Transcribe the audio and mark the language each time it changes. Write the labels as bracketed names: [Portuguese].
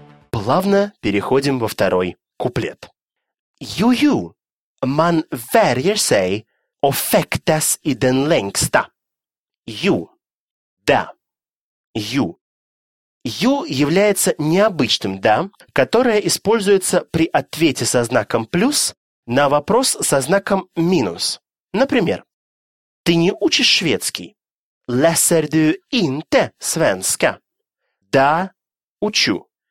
[Russian] Плавно переходим во второй куплет. [Swedish] Ju-ju, man värjer sig och fäktas i den längsta. [Russian] Ju, да, ju. Ju является необычным «да», которое используется при ответе со знаком «плюс» на вопрос со знаком «минус». Например, ты не учишь шведский. [Swedish] Läser du inte svenska? [Russian] Да, учу.